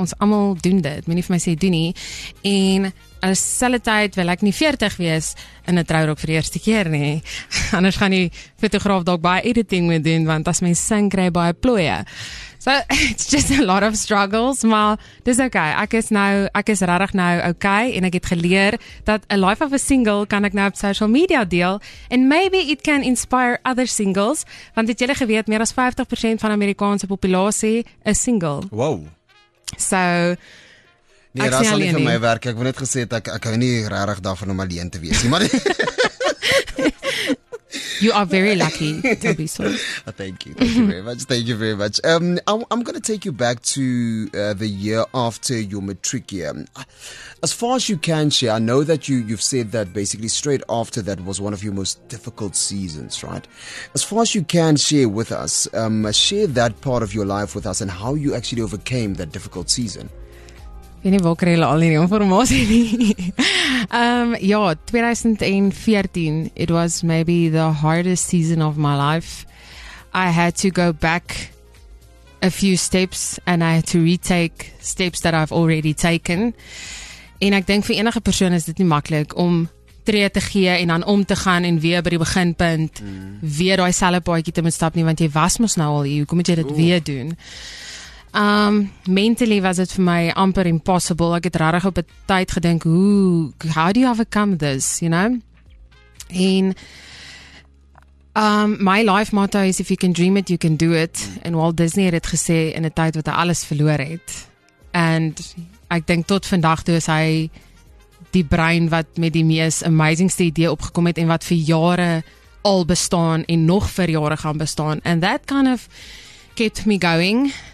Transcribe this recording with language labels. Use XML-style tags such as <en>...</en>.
<af>Ons allemaal doen dit, moenie vir my sê doen nie. En as selle tyd wil ek nie 40 wees in 'n trourok vir die eerste keer nie. Anders gaan die fotograaf dalk baie editing moet doen, want as my sin kry baie plooie.</af> <en>So, it's just a lot of struggles,</en> <af>maar dis okay. Ek is regtig nou okay, en ek het geleer dat a life of a single kan ek nou op social media deel,</af> <en>and maybe it can inspire other singles,</en> <af>want het julle geweet, meer as 50% van Amerikaanse populasie is single.</af> <en>Wow. So,</en> <af>nee, dat sal nie vir my werk. Ek wil net gesê, ek hou nie regtig daarvan om alleen te wees. Maar</af> <en>you are very lucky, Tabiso. Thank you very much. I'm going to take you back to the year after your matric year. As far as you can share, I know that you've said that basically straight after that was one of your most difficult seasons, right? As far as you can share with us, share that part of your life with us and how you actually overcame that difficult season.</en> <af>Ek nie waar kry hulle al hierdie informasie nie.</af> <en>2014, it was maybe the hardest season of my life. I had to go back a few steps and I had to retake steps that I've already taken.</en> <af>En ek dink vir enige persoon is dit nie maklik om tree te gee en dan om te gaan en weer by die beginpunt, weer daai selfe paadjie te moet stap nie, want jy was mos nou al hier, hoekom moet jy dit weer doen?</af> <en>Mentally was it for my amper impossible.</en> <af>Ek het regtig op 'n tyd gedink,</af> <en>how do you overcome this, you know?</en> <af>En my life motto is,</af> <en>if you can dream it, you can do it.</en> <af>En Walt Disney het gesê in 'n tyd wat hy alles verloor het. And ek dink tot vandag toe is hy die brein wat met die mees amazingste idee opgekom het en wat vir jare al bestaan en nog vir jare gaan bestaan.</af> <en>And that kind of kept me going.</en>